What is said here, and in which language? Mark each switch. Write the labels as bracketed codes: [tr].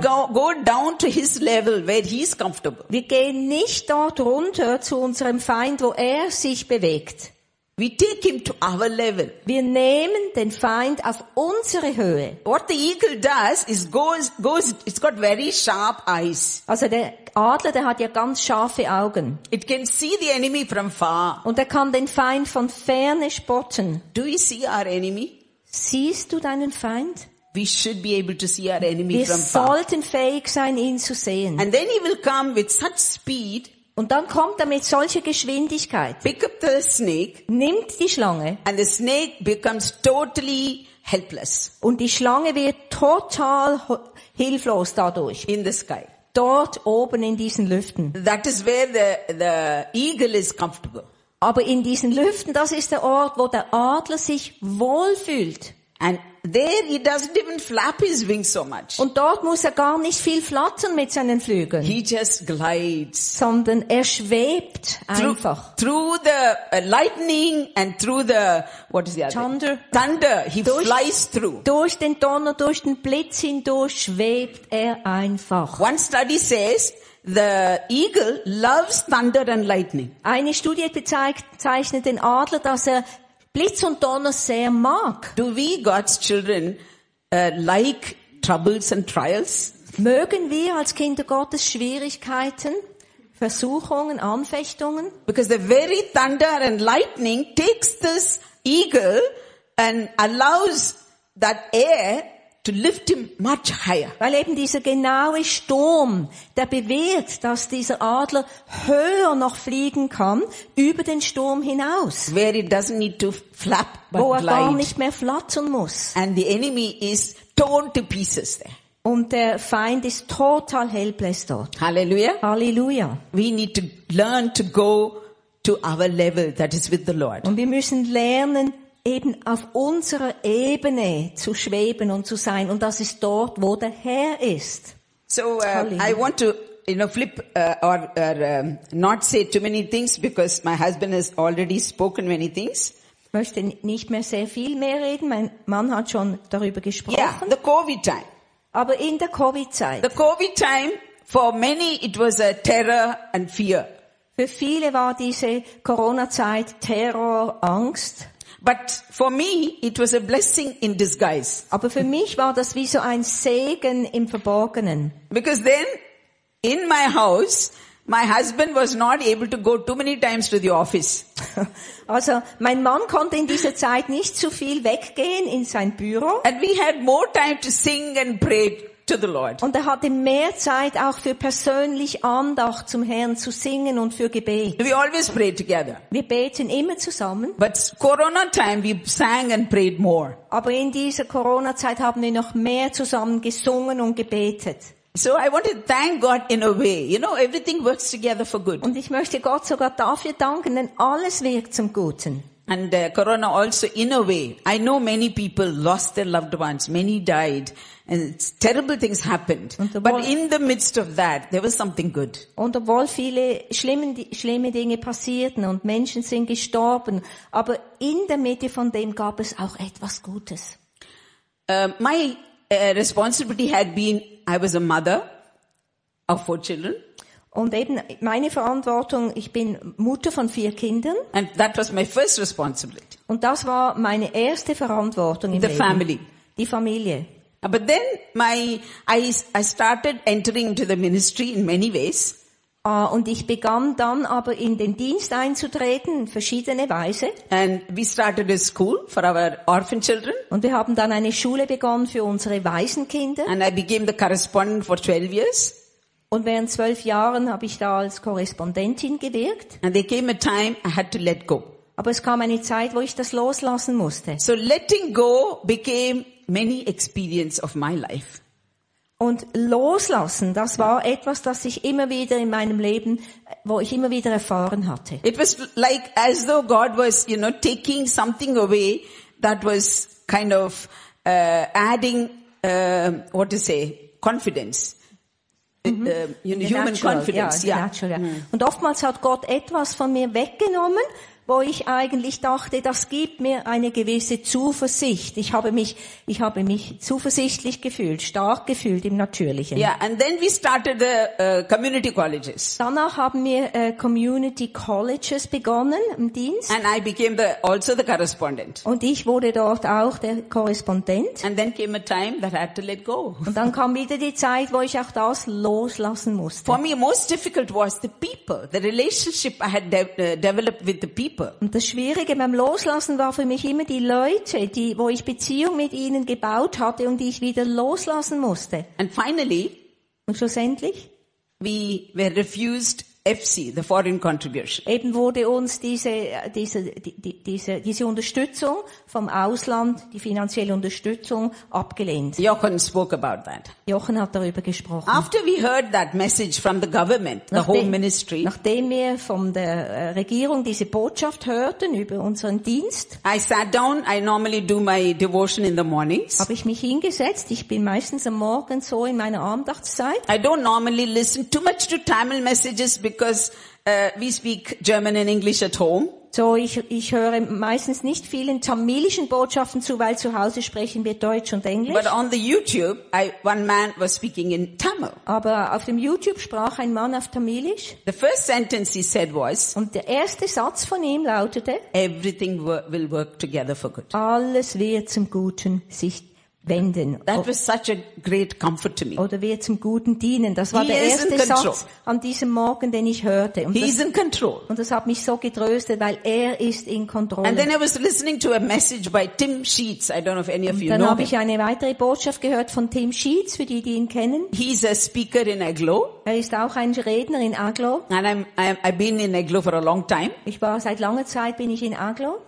[en] Don't go down to his level where he's comfortable. [de] Wir gehen nicht dort runter zu unserem Feind, wo er sich bewegt. [en] We take him to our level. [de] Wir nehmen den Feind auf unsere Höhe. [en] What the eagle does is goes it's got very sharp eyes. [de] Also der Adler, der hat ja ganz scharfe Augen. [en] It can see the enemy from far. [de] Und er kann den Feind von Ferne spotten. [en] Do you see our enemy? [de] Siehst du deinen Feind? [en] We should be able to see our enemy [de] wir [en] from far. [de] Wir sollten fähig sein, ihn zu sehen. [en] And then he will come with such speed. [de] Und dann kommt er mit solcher Geschwindigkeit. [en] Pick up the snake, [de] nimmt die Schlange. [en] And the snake becomes totally helpless. [de] Und die Schlange wird total hilflos dadurch. [en] In the sky. [de] Dort oben in diesen Lüften. [en] That is where the eagle is comfortable. [de] Aber in diesen Lüften, das ist der Ort, wo der Adler sich wohlfühlt. [en] And there he doesn't even flap his wings so much. [de] Und dort muss er gar nicht viel flattern mit seinen Flügeln. [en] He just glides. [de] Sondern er schwebt einfach. [en] Through the lightning and through the, what is the other? Thunder. Thunder. He durch, flies through. [de] Durch den Donner, durch den Blitz hindurch schwebt er einfach. [en] One study says, the eagle loves thunder and lightning. [de] Eine Studie bezeichnet den Adler, dass er Blitz und Donner sehr mag. [en] Do we, God's children, like troubles and trials? [de] Mögen wir als Kinder Gottes Schwierigkeiten, Versuchungen, Anfechtungen? [en] Because the very thunder and lightning takes this eagle and allows that air to lift him much higher. [de] Weil eben dieser genaue Sturm, der bewirkt, dass dieser Adler höher noch fliegen kann, über den Sturm hinaus. [en] Where he doesn't need to flap, but glide. [de] Wo er [en] glide. [de] Gar nicht mehr flattern muss. [en] And the enemy is torn to pieces there. [de] Und der Feind ist total [en] helpless [de] dort. [en] Halleluja. [de] Halleluja. [en] We need to learn to go to our level, that is with the Lord. [de] Und wir müssen lernen, eben auf unserer Ebene zu schweben und zu sein, und das ist dort, wo der Herr ist. [en] So I want to, you know, flip not say too many things, because my husband has already spoken many things. [de] Ich möchte nicht mehr sehr viel mehr reden, mein Mann hat schon darüber gesprochen. [en] Yeah, the COVID time. [de] Aber in der Covid-Zeit. [en] The COVID time, for many it was a terror and fear. [de] Für viele war diese Corona-Zeit Terror, Angst. [en] But for me, it was a blessing in disguise. [de] Aber für mich war das wie so ein Segen im Verborgenen. [en] Because then, in my house, my husband was not able to go too many times to the office. [de] Also, mein Mann konnte in dieser Zeit nicht zu viel weggehen in sein Büro. [en] And we had more time to sing and pray to the Lord. [de] Und er hatte mehr Zeit auch für persönlich Andacht zum Herrn zu singen und für Gebet. [en] We always pray together. [de] Wir beten immer zusammen. [en] But Corona time we sang and prayed more. [de] Aber in dieser Corona Zeit haben wir noch mehr zusammen gesungen und gebetet. [en] So I want to thank God in a way. You know, everything works together for good. [de] Und ich möchte Gott sogar dafür danken, denn alles wirkt zum Guten. [en] And Corona also in a way. I know many people lost their loved ones. Many died. And terrible things happened. But in the midst of that, there was something good. [de] Und obwohl viele schlimme Dinge passierten und Menschen sind gestorben, aber in der Mitte von dem gab es auch etwas Gutes. [en] My responsibility had been, I was a mother of 4 children. [de] Und eben meine Verantwortung, ich bin Mutter von 4 Kindern. [en] And that was my first responsibility. [de] Und das war meine erste Verantwortung im [en] the [de] Leben. [en] The family. [de] Die Familie. [en] But then I started entering into the ministry in many ways. [de] Und ich begann dann aber in den Dienst einzutreten, verschiedene Weise. [en] And we started a school for our orphan children. [de] Und wir haben dann eine Schule begonnen für unsere Waisenkinder. [en] And I became the correspondent for 12 years. [de] Und während 12 Jahren habe ich da als Korrespondentin gewirkt. [en] And there came a time I had to let go. [de] Aber es kam eine Zeit, wo ich das loslassen musste. [en] So letting go became many experience of my life. [de] Und loslassen, das war etwas, das ich immer wieder in meinem Leben, wo ich immer wieder erfahren hatte. [en] It was like as though God was, you know, taking something away that was kind of adding what to say, confidence. Mm-hmm. Human natural, confidence, yeah. Natural, yeah. Mm-hmm. [de] Und oftmals hat Gott etwas von mir weggenommen, wo ich eigentlich dachte, das gibt mir eine gewisse Zuversicht. Ich habe mich zuversichtlich gefühlt, stark gefühlt im Natürlichen. [en] Yeah, and then we started the community colleges. [de] Danach haben wir Community Colleges begonnen im Dienst. [en] And I became also the correspondent. [de] Und ich wurde dort auch der Korrespondent. [en] And then came a time that I had to let go. [de] Und dann kam wieder die Zeit, wo ich auch das loslassen musste. [en] For me, most difficult was the people, the relationship I had developed with the people. [de] Und das Schwierige beim Loslassen war für mich immer die Leute, wo ich Beziehung mit ihnen gebaut hatte und die ich wieder loslassen musste. [en] And finally, [de] und schlussendlich, [en] we were refused EFSI, the foreign contribution. [de] Eben wurde uns diese Unterstützung vom Ausland, die finanzielle Unterstützung abgelehnt. [en] Jochen spoke about that. [de] Jochen hat darüber gesprochen. [en] After we heard that message from the government, the Home Ministry. [de] Nachdem wir von der Regierung diese Botschaft hörten über unseren Dienst. [en] I sat down. I normally do my devotion in the mornings. [de] Habe ich mich hingesetzt. Ich bin meistens am Morgen so in meiner Andachtszeit. [en] I don't normally listen too much to Tamil messages. Because we speak German and English at home. [de] So, ich höre meistens nicht viel in tamilischen Botschaften zu, weil zu Hause sprechen wir Deutsch und Englisch. [en] But on the YouTube, one man was speaking in Tamil. [de] Aber auf dem YouTube sprach ein Mann auf Tamilisch. [en] The first sentence he said was. [de] Und der erste Satz von ihm lautete. [en] Everything will work together for good. [de] Alles wird zum Guten sich wenden. [en] That was such a great comfort to me. [de] Oder wir zum Guten dienen. Das war der erste Satz an diesem Morgen, den ich hörte. [en] He is in control. [de] Und das hat mich so getröstet, weil ist in Kontrolle. [en] And then I was listening to a message by Tim Sheets. I don't know if any of you know him. [de] Dann habe ich eine weitere Botschaft gehört von Tim Sheets, für die ihn kennen. [en] He is a speaker in Agglo. [de] Ist auch ein Redner in Agglo. [en] And I've been in Agglo for a long time. [de] Ich war seit langer Zeit bin ich in Agglo.